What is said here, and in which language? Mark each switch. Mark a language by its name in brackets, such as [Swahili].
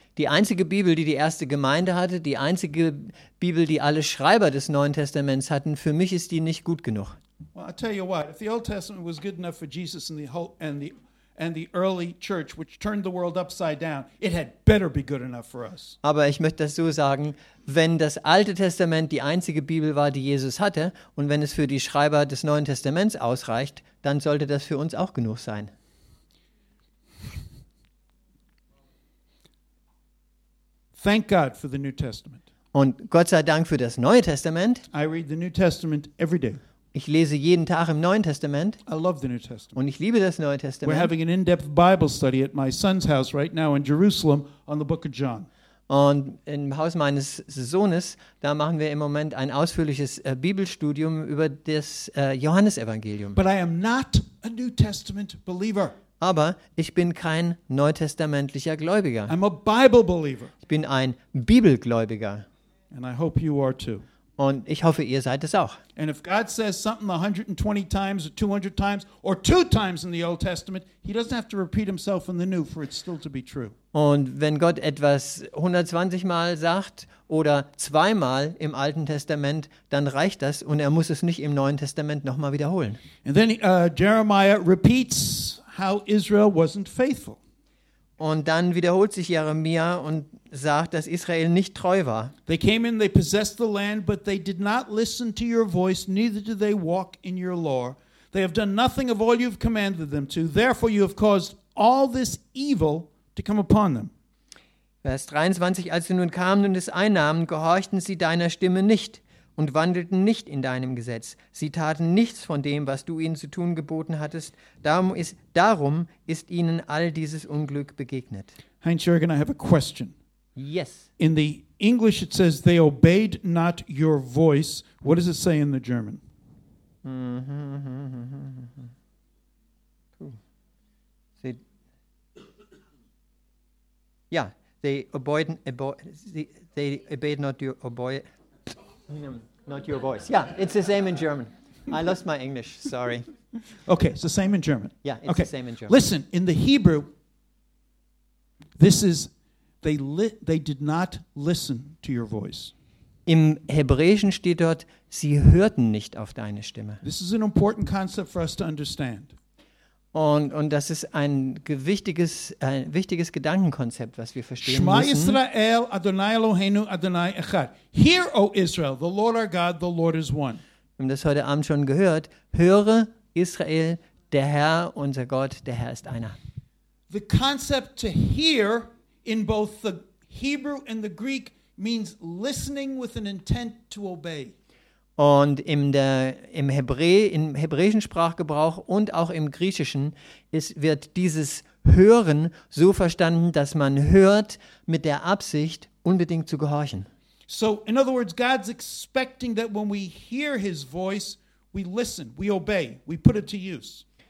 [German] Die einzige Bibel, die erste Gemeinde hatte, die einzige Bibel, die alle Schreiber des Neuen Testaments hatten, für mich ist die nicht gut genug. [English] Well, I'll tell you what, if the Old Testament was good enough for Jesus and the early church, which turned the world upside down, it had better be good enough for us. [German] Aber ich möchte das so sagen, wenn das Alte Testament die einzige Bibel war, die Jesus hatte, und wenn es für die Schreiber des Neuen Testaments ausreicht, dann sollte das für uns auch genug sein. [English] Thank God for the New Testament. [German] Und Gott sei Dank für das Neue Testament. [English] I read the New Testament every day. [German] Ich lese jeden Tag im Neuen Testament. [English] I love the New Testament. [German] Und ich liebe das Neue Testament. [English] We're having an in-depth Bible study at my son's house right now in Jerusalem on the book of John. [German] Und im Haus meines Sohnes, da machen wir im Moment ein ausführliches Bibelstudium über das Johannesevangelium. [English] But I am not a New Testament believer. [German] Aber ich bin kein neutestamentlicher Gläubiger. [English] I'm a Bible believer. [German] Ich bin ein Bibelgläubiger. [English] And I hope you are too. [German] Und ich hoffe, ihr seid es auch. [English] And if God says something 120 times or 200 times or 2 times in the Old Testament, he doesn't have to repeat himself in the New for it still to be true. [German] Und wenn Gott etwas 120 Mal sagt oder 2-mal im Alten Testament, dann reicht das und er muss es nicht im Neuen Testament nochmal wiederholen. [English] And then Jeremiah repeats how Israel wasn't faithful. [German] Und dann wiederholt sich Jeremia und sagt, dass Israel nicht treu war. [English] They came in, they possessed the land, but they did not listen to your voice, neither did they walk in your law. They have done nothing of all you've commanded them to. Therefore you have caused all this evil to come upon them. [German] Vers 23, als sie nun kamen und es einnahmen, gehorchten sie deiner Stimme nicht und wandelten nicht in deinem Gesetz. Sie taten nichts von dem, was du ihnen zu tun geboten hattest. Darum ist ihnen all dieses Unglück begegnet. [English] Heinz-Jürgen, I have a question. Yes. In the English it says, they obeyed not your voice. What does it say in the German? Yeah, they obeyed not your voice. Yeah, it's the same in German. I lost my English, sorry. Okay, it's the same in German. Yeah, it's okay. The same in German. Listen, in the Hebrew, this is, they did not listen to your voice. [German] Im Hebräischen steht dort, sie hörten nicht auf deine Stimme. [English] This is an important concept for us to understand. [German] Und das ist ein wichtiges Gedankenkonzept, was wir verstehen [Hebrew] Shema [German] müssen. [Hebrew] Shema Yisrael, Adonai Eloheinu, Adonai Echad. [English] Hear, O Israel, the Lord our God, the Lord is one. [German] Wir haben das heute Abend schon gehört. Höre, Israel, der Herr, unser Gott, der Herr ist einer. [English] The concept to hear in both the Hebrew and the Greek means listening with an intent to obey. [German] Und im hebräischen Sprachgebrauch und auch im griechischen wird dieses Hören so verstanden, dass man hört mit der Absicht, unbedingt zu gehorchen. [English] So, in other words, God's expecting that when we hear his voice, we listen, we obey, we put it to use.